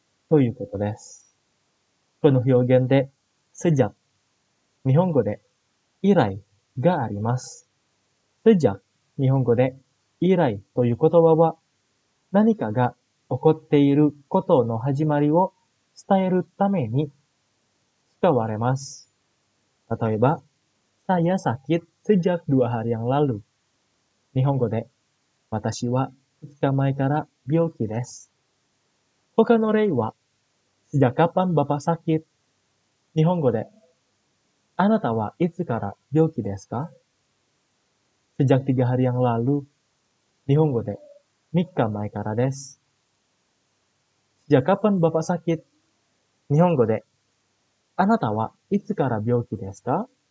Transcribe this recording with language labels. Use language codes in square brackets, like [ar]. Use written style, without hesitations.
[ja] ということです。この表現で、sejak、日本語で、以来があります。 sejak 日本語で以来という言葉は何かが起こっていることの始まりを伝えるために使われます。例えば、 [id] saya sakit sejak dua hari yang lalu. [ja] 日本語で私は2日前から病気です。他の例は、 [id] sejak kapan bapak sakit? [ja] 日本語であなたはいつから病気ですか? [id] Sejak tiga hari yang lalu, [ja] 日本語で3日前からです。 [id] Sejak kapan bapak sakit? [ja] 日本語であなたはいつから病気ですか?